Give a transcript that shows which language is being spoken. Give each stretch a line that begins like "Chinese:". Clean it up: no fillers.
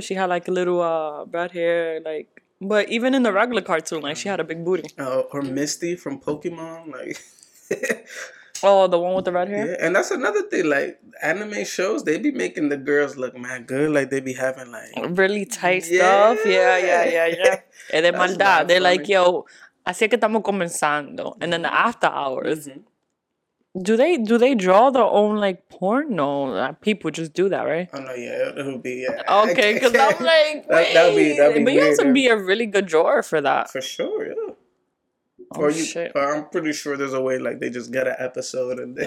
English: She had like a little red hair. Like, but even in the regular cartoon, like she had a big booty. Or Misty from Pokemon. Like. Oh, the one with the red hair? Yeah, and that's another thing. Like, anime shows, they be making the girls look mad good. Like, they be having, like... really tight stuff. Yeah. And they maldad. They're funny.
Spanish: Like, yo, así es que estamos comenzando.
English: And then after hours, do they draw their own, like, porn? No, like, people just do that, right? Oh, no, yeah. It'll be, yeah. Okay, because I'm like, wait. That'd be weird. But you have to be a really good drawer for that. For sure, yeah. Or I'm pretty sure there's a way like they just get an episode and then